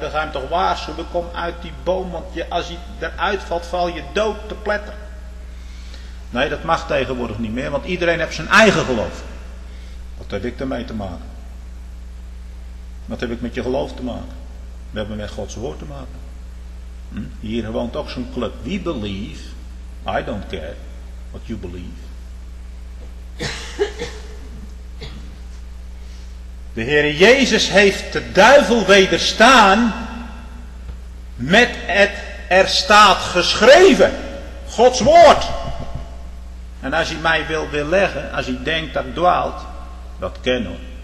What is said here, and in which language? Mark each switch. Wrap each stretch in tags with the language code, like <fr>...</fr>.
<nl>Dan ga je hem toch waarschuwen, kom uit die boom, want je, als je eruit valt, val je dood te pletteren. Nee, dat mag tegenwoordig niet meer, want iedereen heeft zijn eigen geloof. Wat heb ik ermee te maken? Wat heb ik met je geloof te maken? We hebben met Gods woord te maken. Hier woont ook zo'n club.</nl> <en>We believe, I don't care what you believe.</en> <nl>De Heere Jezus heeft de duivel wederstaan met het er staat geschreven. Gods woord. En als hij mij wil weerleggen, als hij denkt dat dwaalt, dat kennen we.</nl>